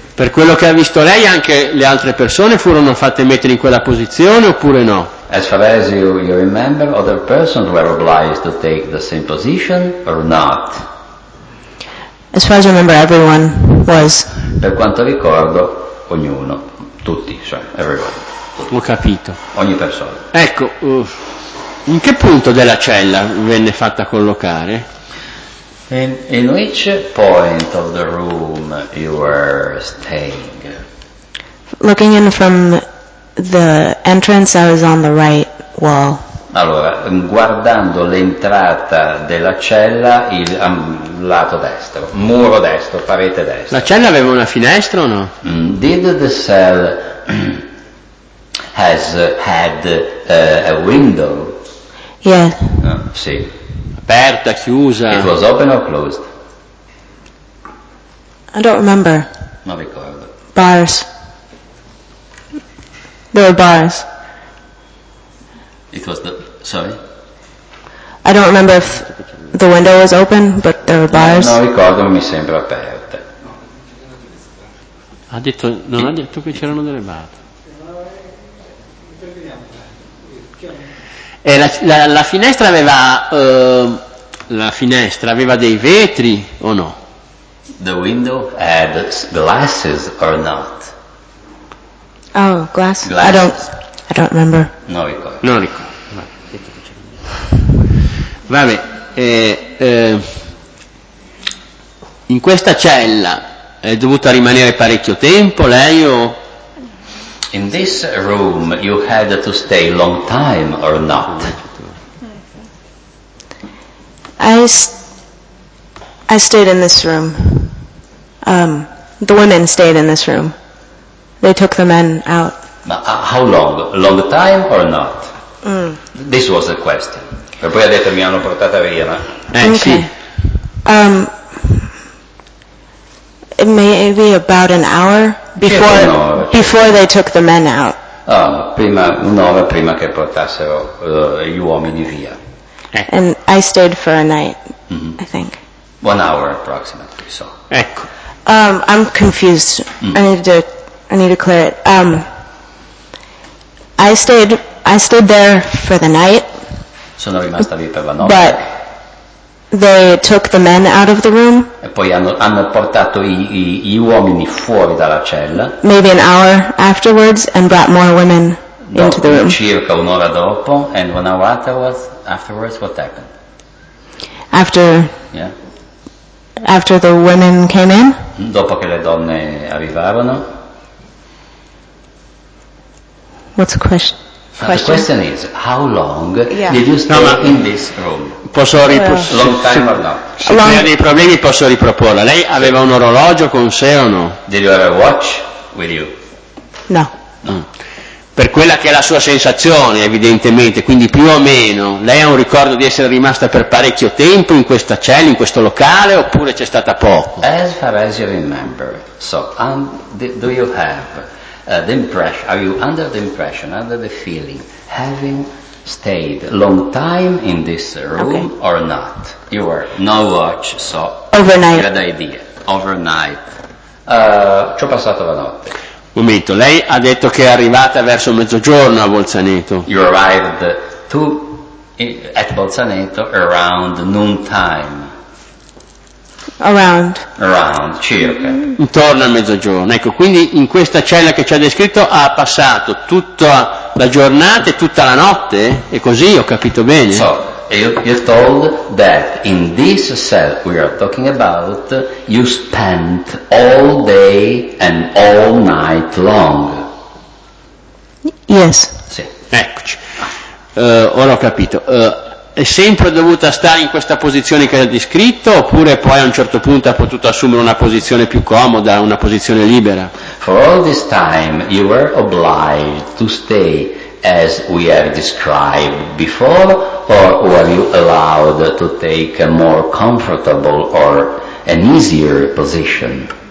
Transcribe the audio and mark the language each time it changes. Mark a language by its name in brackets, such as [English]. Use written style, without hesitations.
[Italian] Per quello che ha visto lei, anche le altre persone furono fatte mettere in quella posizione oppure no? [English] As far as you remember, other persons were obliged to take the same position or not? As far as I remember, everyone was. [Italian] Per quanto ricordo, ognuno, tutti, cioè, everyone. Ho capito. Ogni persona. Ecco, in che punto della cella venne fatta collocare? [English] In which point of the room you were staying? Looking in from the entrance, I was on the right wall. [Italian] Allora, guardando l'entrata della cella, il lato destro, muro destro, parete destra. La cella aveva una finestra o no? [English] Did the cell has had a window? Yeah. [Italian] Sì. Aperta, chiusa. [English] It was open or closed? I don't remember. [Italian] Non ricordo. [English] Bars. There were bars. It was the... Sorry? I don't remember if the window was open, but there were bars. [Italian] No, non ricordo, mi sembra aperta. Ha detto, non ha detto che c'erano delle bar. E la finestra aveva dei vetri o no? [English] The window had glasses or not? Oh, glass. Glasses. I don't remember. [Italian] No, ricordo. Non ricordo. Vabbè, in questa cella è dovuta rimanere parecchio tempo lei o? [English] In this room you had to stay long time or not? I stayed in this room. The women stayed in this room. They took the men out. How long? Long time or not? This was a question. [Italian] E poi ha detto mi hanno portata via, ma... [English] Okay. Maybe about an hour. Before they took the men out. [Italian] Un'ora prima che portassero gli uomini via. [English] And I stayed for a night, I think. 1 hour approximately, so. [Italian] Ecco. [English] I'm confused. I need to clear it. I stayed there for the night. [Italian] Sono rimasta lì per la notte. [English] But they took the men out of the room. [Italian] E poi hanno portato gli uomini fuori dalla cella. [English] Maybe an hour afterwards and brought more women into the room. [Italian] Circa un'ora dopo, [English] and 1 hour afterwards, what happened? After the women came in. [Italian] Dopo che le donne arrivarono. [English] What's the question? The question is, how long did you stay in this room? Long time or not? [Italian] Se non ha dei problemi posso riproporla. Lei aveva un orologio con sé o no? [English] Did you have a watch with you? No. [Italian] Per quella che è la sua sensazione, evidentemente, quindi più o meno, lei ha un ricordo di essere rimasta per parecchio tempo in questa cella, in questo locale, oppure c'è stata poco? [English] As far as you remember, so, do you have... the impression, are you under the impression, under the feeling, having stayed long time in this room or not? You were no watch, so overnight. Good idea. Overnight. [Italian] Ci ho passato la notte. Momento, lei ha detto che è arrivata verso mezzogiorno a Bolzaneto. [English] You arrived at Bolzaneto around noon time. Around, [Italian] circa. Intorno al mezzogiorno. Ecco, quindi in questa cella che ci ha descritto ha passato tutta la giornata e tutta la notte? E così ho capito bene? [English] So, you told that in this cell we are talking about, you spent all day and all night long. Yes. [Italian] Sì. Eccoci. Ora ho capito. è sempre dovuta stare in questa posizione che ha descritto, oppure poi a un certo punto ha potuto assumere una posizione più comoda, una posizione libera? [English] For all this time you were obliged to stay as we have described before, or were you allowed to take a more comfortable or an easier position?